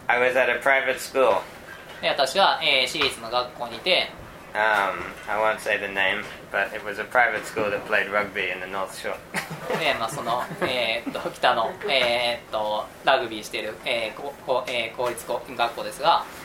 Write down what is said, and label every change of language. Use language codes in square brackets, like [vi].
[en] I was at a private school. [ja] で、私は、私立の学校にいて、 [en] I won't say the name, but it was a private school that played rugby in the North Shore. [ja] で、まあ、その、北の、ラグビーしている、公立学校ですが。